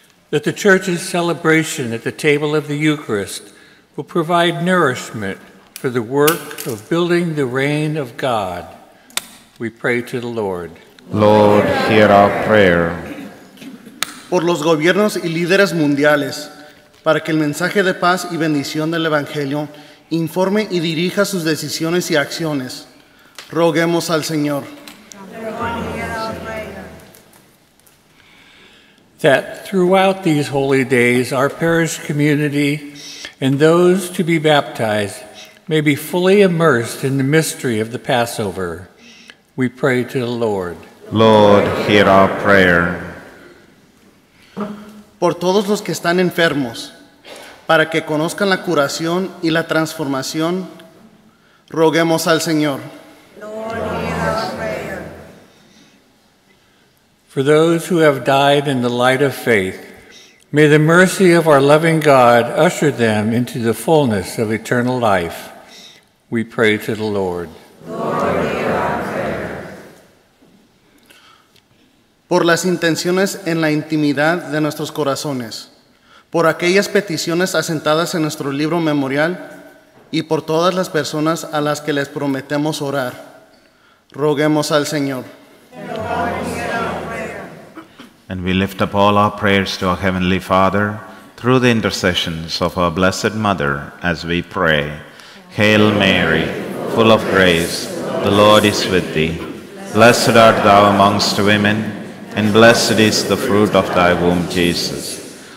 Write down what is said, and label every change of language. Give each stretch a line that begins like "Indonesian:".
English: That the Church's celebration at the table of the Eucharist will provide nourishment for the work of building the reign of God, we pray to the Lord. Lord, hear our prayer.
Spanish: Por los gobiernos y líderes mundiales, para que el mensaje de paz y bendición del Evangelio informe y dirija sus decisiones y acciones, roguemos al Señor.
English: That throughout these holy days, our parish community and those to be baptized may be fully immersed in the mystery of the Passover. We pray to the Lord. Lord, hear our prayer.
Spanish: Por todos los que están enfermos, para que conozcan la curación y la transformación, roguemos al Señor.
English: For those who have died in the light of faith, may the mercy of our loving God usher them into the fullness of eternal life. We pray to the Lord.
Spanish: Por las intenciones en la intimidad de nuestros corazones, por aquellas peticiones asentadas en nuestro libro memorial, y por todas las personas a las que les prometemos orar, roguemos al Señor.
English: And we lift up all our prayers to our Heavenly Father through the intercessions of our Blessed Mother as we pray. Hail Mary, full of grace, the Lord is with thee. Blessed art thou amongst women, and blessed is the fruit of thy womb, Jesus.